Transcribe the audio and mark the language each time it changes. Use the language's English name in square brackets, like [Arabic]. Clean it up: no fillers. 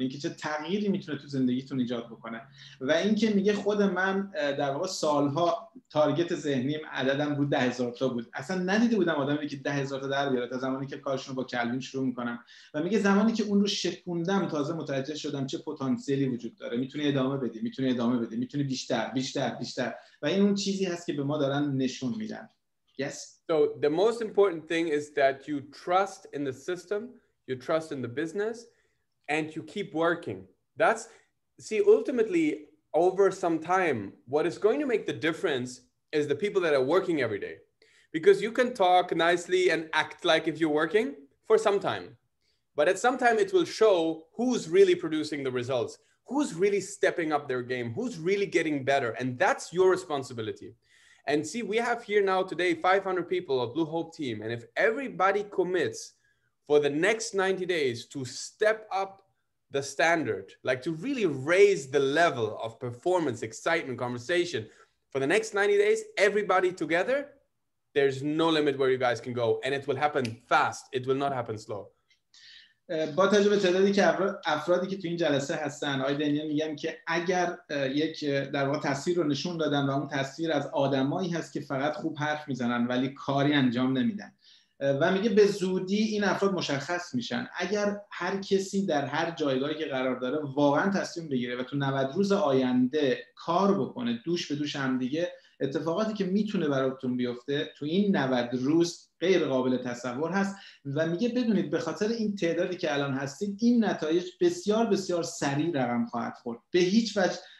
[Persian] اینکه چه تغییری میتونه تو زندگیتون ایجاد بکنه. و اینکه میگه خود من در واقع سالها تارگت ذهنیم عددم بود 10,000 تا بود. اصلا ندیده بودم آدمی که 10,000 تا در بیاره تا زمانی که کارشون رو با کلوین شروع میکنم. و میگه زمانی که اون رو شکوندم تازه متوجه شدم چه پتانسیلی وجود داره. میتونی ادامه بدی، میتونی بیشتر. و این اون چیزی هست که به ما دارن نشون میدن. [English] Yes. So the most important thing is that you trust in the system, you trust in the business, and you keep working. That's, see, ultimately over some time. What is going to make the difference is the people that are working every day. Because you can talk nicely and act like if you're working for some time. But at some time, it will show who's really producing the results, who's really stepping up their game, who's really getting better. And that's your responsibility. And see, we have here now today 500 people of Blue Hope team. And if everybody commits for the next 90 days to step up the standard, like to really raise the level of performance, excitement, conversation for the next 90 days, everybody together, there's no limit where you guys can go. And it will happen fast. It will not happen slow. [Persian] با توجه به تعدادی که افرادی که تو این جلسه هستن آقای دنیل میگم که اگر یک در واقع تصویر رو نشون دادن و اون تصویر از آدمایی هست که فقط خوب حرف میزنن ولی کاری انجام نمیدن و میگه به زودی این افراد مشخص میشن اگر هر کسی در هر جایگاهی که قرار داره واقعا تصمیم بگیره و تو 90 روز آینده کار بکنه دوش به دوش هم دیگه اتفاقاتی که میتونه براتون بیفته تو این 90 روز غیر قابل تصور هست و میگه بدونید به خاطر این تعدادی که الان هستید این نتایج بسیار بسیار سریع رقم خواهد خورد به هیچ وجه